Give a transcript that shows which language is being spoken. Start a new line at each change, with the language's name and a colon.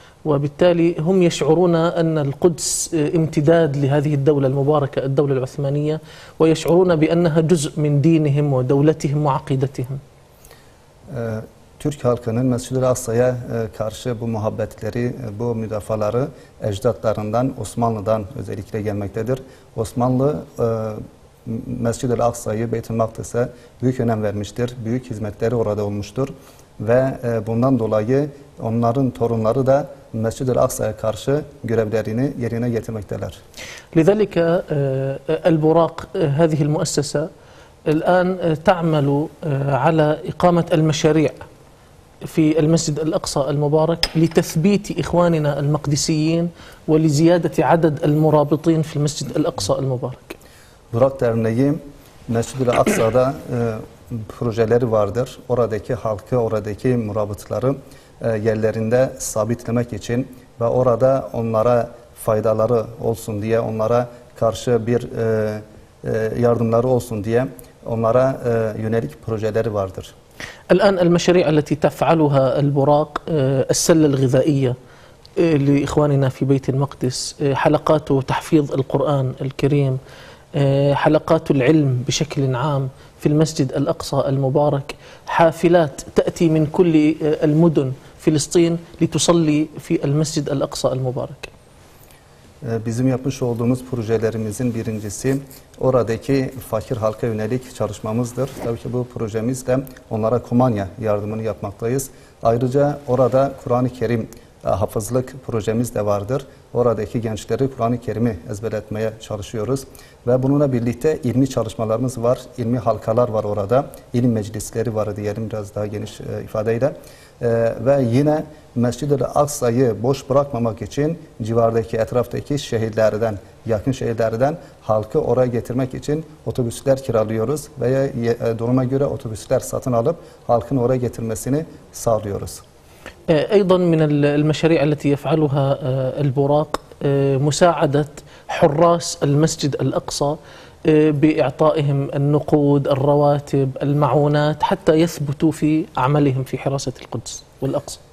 Arabic: وبالتالي هم يشعرون أن القدس امتداد لهذه الدولة المباركة الدولة العثمانية ويشعرون بأنها جزء من دينهم ودولتهم وعقيدتهم.
Turkish: Türk halkının Mescid-i Aksa'ya karşı bu muhabbetleri, bu müdafaları ecdatlarından, Osmanlı'dan özellikle gelmektedir. Osmanlı Mescid-i Aksa'yı, Beyt-i Makdis'e büyük önem vermiştir. Büyük hizmetleri orada olmuştur. Ve bundan dolayı onların torunları da Mescid-i Aksa'ya karşı görevlerini yerine getirmekteler.
Arabic: لذلك البراق هذه المؤسسة الآن تعمل على إقامة المشاريع في المسجد الأقصى المبارك لتثبيت إخواننا المقدسيين ولزيادة عدد المرابطين في المسجد الأقصى المبارك.
Turkish: Burak Derneği Mescid-i Aksa'da projeleri vardır. Oradaki halkı, oradaki murabıtları yerlerinde sabitlemek için ve orada onlara faydaları olsun diye, onlara karşı bir yardımları olsun diye onlara yönelik projeleri vardır.
Arabic: الآن المشاريع التي تفعلها البراق السلة الغذائية لإخواننا في بيت المقدس، حلقات تحفيظ القرآن الكريم، حلقات العلم بشكل عام في المسجد الأقصى المبارك، حافلات تأتي من كل المدن فلسطين لتصلي في المسجد الأقصى المبارك.
Turkish: Bizim yapmış olduğumuz projelerimizin birincisi oradaki fakir halka yönelik çalışmamızdır. Tabii ki bu projemizde onlara kumanya yardımını yapmaktayız. Ayrıca orada Kur'an-ı Kerim hafızlık projemiz de vardır. Oradaki gençleri Kur'an-ı Kerim'i ezberletmeye çalışıyoruz. Ve bununla birlikte ilmi çalışmalarımız var, ilmi halkalar var orada. İlim meclisleri var diyelim biraz daha geniş ifadeyle. Ve yine Mescid-i Aksa'yı boş bırakmamak için civardaki, etraftaki şehirlerden, yakın şehirlerden halkı oraya getirmek için otobüsler kiralıyoruz veya duruma göre otobüsler satın alıp halkın oraya getirmesini sağlıyoruz.
Arabic: أيضا من المشاريع التي يفعلها البراق مساعدة حراس المسجد الأقصى بإعطائهم النقود، الرواتب، المعونات حتى يثبتوا في عملهم في حراسة القدس والأقصى.